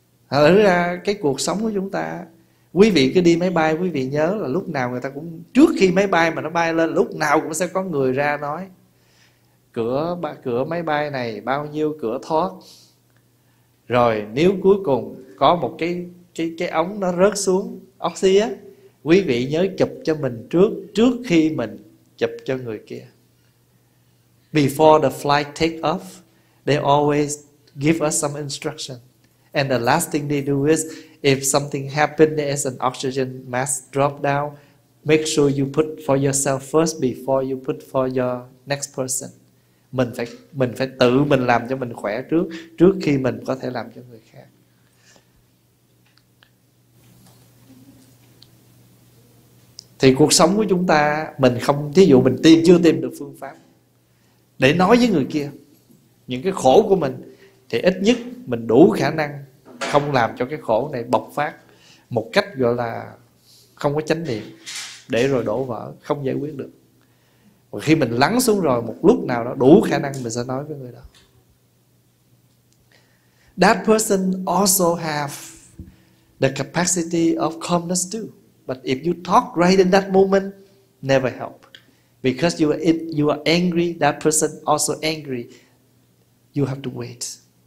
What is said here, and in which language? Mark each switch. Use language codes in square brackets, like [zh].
[vi] Thật ra cái cuộc sống của chúng ta, quý vị cứ đi máy bay, quý vị nhớ là lúc nào người ta cũng, trước khi máy bay mà nó bay lên, lúc nào cũng sẽ có người ra nói cửa máy bay này bao nhiêu cửa thoát. Rồi nếu cuối cùng có một cái ống nó rớt xuống oxy á, quý vị nhớ chụp cho mình trước, trước khi mình chụp cho người kia. [en] Before the flight take off, they always give us some instruction. And the last thing they do is, if something happened, there's an oxygen mask drop down, make sure you put for yourself first before you put for your next person. [vi] Mình phải tự mình làm cho mình khỏe trước, trước khi mình có thể làm cho người khác. Thì cuộc sống của chúng ta, mình không, thí dụ mình chưa tìm được phương pháp để nói với người kia những cái khổ của mình, thì ít nhất mình đủ khả năng không làm cho cái khổ này bộc phát một cách gọi là không có chánh niệm, để rồi đổ vỡ, không giải quyết được. Và khi mình lắng xuống rồi, một lúc nào đó đủ khả năng mình sẽ nói với người đó. [en] That person also have the capacity of calmness too. But if you talk right in that moment, never help. Because you are angry, that person also angry. You have to wait.